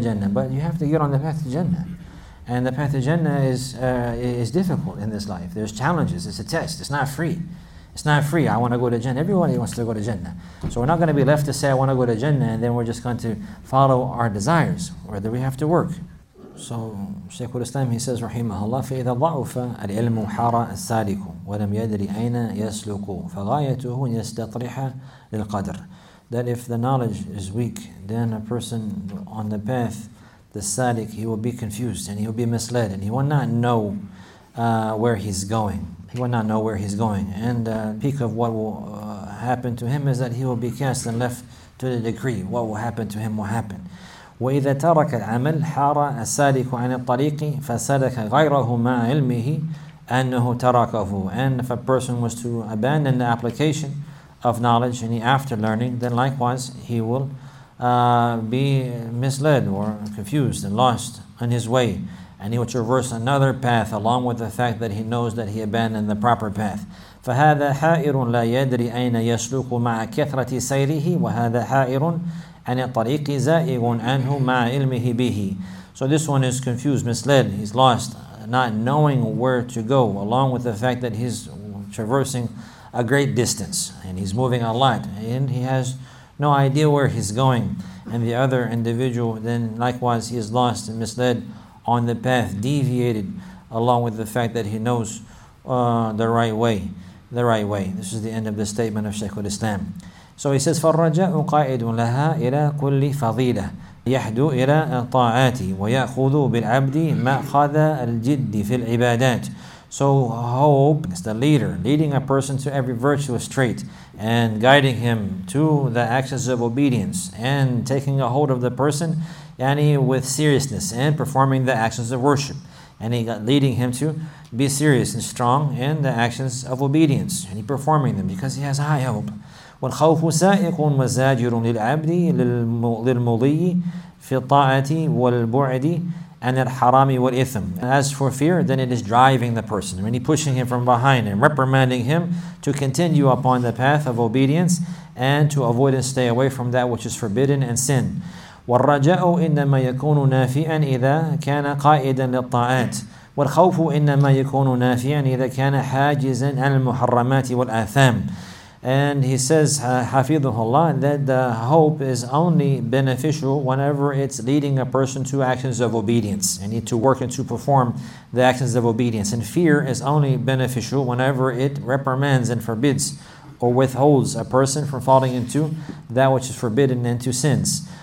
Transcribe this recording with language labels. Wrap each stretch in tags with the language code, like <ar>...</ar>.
<en>But you have to get on the path to Jannah. And the path to Jannah is difficult in this life. There's challenges, it's a test, it's not free. I want to go to Jannah. Everybody wants to go to Jannah. So we're not going to be left to say, I want to go to Jannah, and then we're just going to follow our desires, whether we have to work. So Shaykhul Islam, he says, Rahimahullah,</en> <ar>فَإِذَا ضَعُفَ الْعِلْمُ حَارَ السَّالِكُ وَلَمْ يَدْرِ أَيْنَ يَسْلُكُ فَغَايَتُهُ يَسْتَطْرِحَ لِلْقَدْرِ.</ar> <en>That if the knowledge is weak, then a person on the path, the Salik, he will be confused and he will be misled and he will not know where he's going. He will not know where he's going. And the peak of what will happen to him is that he will be cast and left to the decree. What will happen to him will happen.</en> <ar>وَإِذَا تَرَكَ الْعَمَلْ حَارَ السَّالِكُ عَنِ الطَّرِيقِ فَسَلَكَ غَيْرَهُ مَا عِلْمِهِ أَنَّهُ تَرَكَهُ.</ar> <en>And if a person was to abandon the application of knowledge and after learning, then likewise he will be misled or confused and lost on his way. And he will traverse another path along with the fact that he knows that he abandoned the proper path.</en> <ar>فَهَذَا حَائِرٌ لَا يَدْرِ أَيْنَ يَسْلُكُ مَعَ كَثْرَةِ سَيْرِهِ وَهَذَا حَائِرٌ and a tariq za'igun anhu ma'a ilmihi bihi.</ar> <en>So this one is confused, misled, he's lost, not knowing where to go, along with the fact that he's traversing a great distance and he's moving a lot and he has no idea where he's going. And the other individual then likewise he is lost and misled on the path, deviated, along with the fact that he knows the right way. This is the end of the statement of Shaykh al-Islam. So he says,</en> <ar>فَالرَّجَاءُ قَائِدٌ لَهَا إِلَىٰ كُلِّ فَضِيلَةٍ يَحْدُو إِلَىٰ طَاعَاتِ وَيَأْخُذُ بِالْعَبْدِ مَا خَذَ الْجِدِّ فِي الْعِبَادَاتِ.</ar> <en>So hope is the leader, leading a person to every virtuous trait and guiding him to the actions of obedience and taking a hold of the person yani with seriousness and performing the actions of worship. And he leading him to be serious and strong in the actions of obedience and he performing them because he has high hope.</en> <ar>والخوف سائق مزاجر للعبد للمضي في الطاعة والبعد عن الحرام والإثم. As for fear, then it is driving the person, meaning pushing him from behind and reprimanding him to continue upon the path of obedience and to avoid and stay away from that which is forbidden and sin. والرجاء إنما يكون نافعا إذا كان قائدا للطاعات. والخوف إنما يكون نافعا إذا كان حاجزا عن المحرمات والآثام.</ar> <en>And he says, Hafidhullah, that the hope is only beneficial whenever it's leading a person to actions of obedience. And to work and to perform the actions of obedience. And fear is only beneficial whenever it reprimands and forbids or withholds a person from falling into that which is forbidden into sins.</en>